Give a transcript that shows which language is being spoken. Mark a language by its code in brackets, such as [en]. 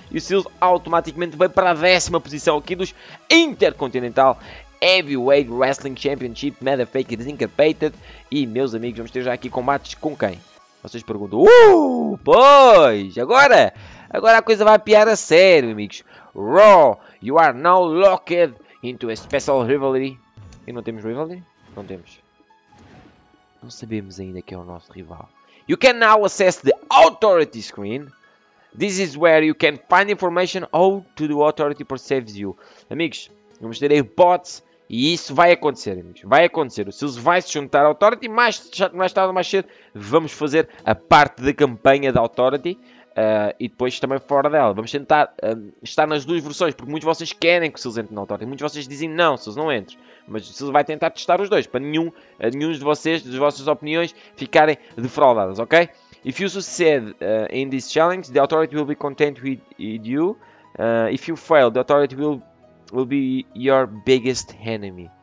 [pt] E o Sils automaticamente vai para a décima posição aqui dos Intercontinental Heavyweight Wrestling Championship. Motherfucker Incorporated. E, meus amigos, vamos ter já aqui combates com quem? Vocês perguntam. Pois! Agora... agora a coisa vai piar a sério, amigos. [en] Raw, you are now locked into a special rivalry. [pt] E não temos rivalry? Não temos. Não sabemos ainda quem é o nosso rival. [en] You can now access the authority screen. This is where you can find information owed to the authority perceives you. [pt] Amigos, vamos ter a hipótese. E isso vai acontecer, amigos. Vai acontecer. O Sils vai se juntar à authority. Mais tarde ou mais cedo, vamos fazer a parte da campanha da authority. E depois também fora dela. Vamos tentar estar nas duas versões. Porque muitos de vocês querem que o Sils entre na autoridade. Muitos de vocês dizem não, Sils não entre. Mas o Sils vai tentar testar os dois. Para nenhum de vocês, das vossas opiniões, ficarem defraudadas, ok? [en] If you succeed in this challenge, the authority will be content with you. If you fail, the authority will be your biggest enemy.